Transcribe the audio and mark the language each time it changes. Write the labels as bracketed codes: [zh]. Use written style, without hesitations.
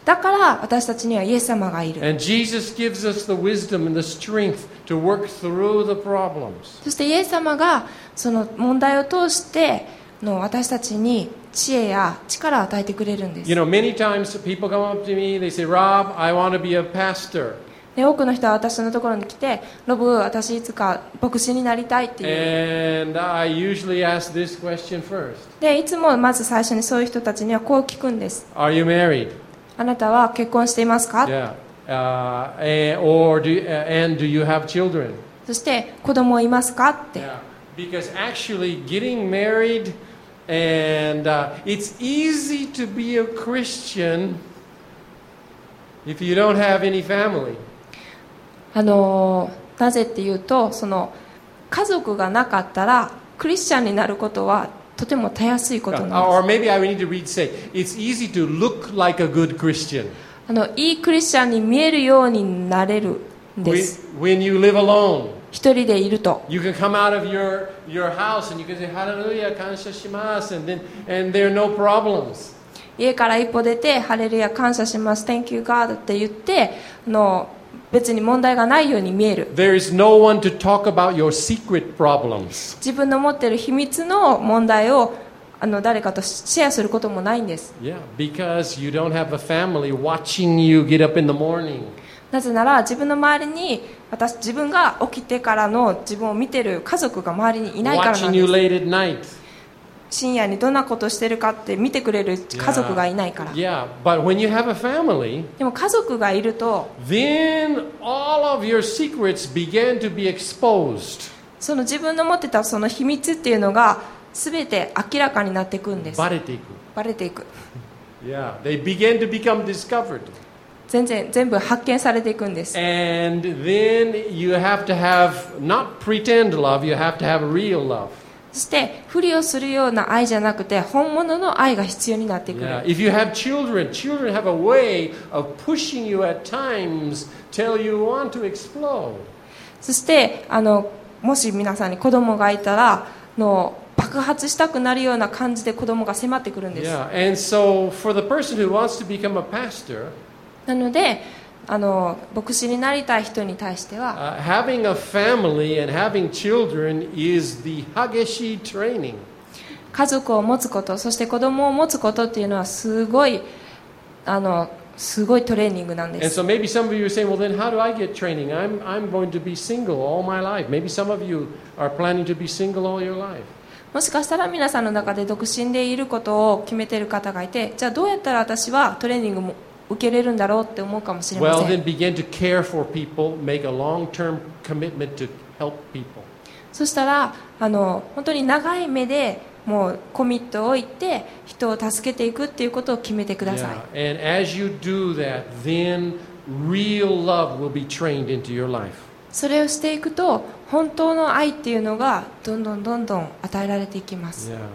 [ja] だから私たちにはイエス様がいる。 [en] And Jesus gives us the wisdom and the strength to work through the problems. [ja] そしてイエス様がその問題を通しての私たちに知恵や力を与えてくれるんです。 [en] You know, many times people come up to me, they say, Rob, I want to be a pastor. [ja] で多くの人は私のところに来て、ロブ、私いつか牧師になりたいっていう。 [en] And I usually ask this question first. [ja] でいつもまず最初にそういう人たちにはこう聞くんです。 [en] Are you married? [ja] あなたは結婚していますか？ [en] Yeah. Do you have children? [ja] そして子供いますかって。 [en] Yeah. Because actually getting married and it's easy to be a Christian if you don't have any family. [ja] なぜっていうと、その家族がなかったらクリスチャンになることはとてもたやすいことなんです。 [en] Or maybe I need to read say it's easy to look like a good Christian. [ja] いいクリスチャンに見えるようになれるんです。 [en] When you live alone, [ja] 一人でいると [en] you can come out of your house and you can say hallelujah [ja] 感謝します [en] and there are no problems. [ja] 家から一歩出てハレルヤ感謝します [en] Thank you God [ja] って言って別に問題がないように見える。 [en] There is no one to talk about your secret problems. [ja] 自分の持っている秘密の問題を誰かとシェアすることもないんです。 [en] Yeah, because you don't have a family watching you get up in the morning. [ja] なぜなら自分の周りに私自分が起きてからの自分を見ている家族が周りにいないからなんです。 [en] Watching you late at night. [ja] 深夜にどんなことをしてるかって見てくれる家族がいないから。 [en] yeah. Yeah. But when you have a family, [ja] でも家族がいると [en] then all of your secrets began to be exposed. [ja] その自分の持ってたその秘密っていうのが全て明らかになっていくんです。バレていく。yeah. [en] They began to become discovered. [ja] 全部発見されていくんです。 [en] And then you have to have not pretend love, you have to have real love. [ja] そして不利をするような愛じゃなくて本物の愛が必要になってくる。 [en] Yeah. If you have children, children have a way of pushing you at times till you want to explode. [ja] そしてもし皆さんに子供がいたら爆発したくなるような感じで子供が迫ってくるんです。 [en] Yeah. And so for the person who wants to become a pastor, [ja] なので牧師になりたい人に対しては、 [en] having a family and having children is the hageshi training. [ja] 家族を持つこと、そして子供を持つことっていうのはすごいトレーニングなんです。 [en] And so maybe some of you are saying, well, then how do I get training? I'm going to be single all my life. Maybe some of you are planning to be single all your life. [ja] もしかしたら皆さんの中で独身でいることを決めている方がいて、じゃあどうやったら私はトレーニングも受けれるんだろうって思うかもしれません。 [en] Well, then begin to care for people, make a long-term commitment to help people. [ja] そしたら本当に長い目でもうコミットを置いて人を助けていくっていうことを決めてください。 [en] Yeah. And as you do that, then real love will be trained into your life. [ja] それをしていくと本当の愛っていうのがどんどんどんどん与えられていきます。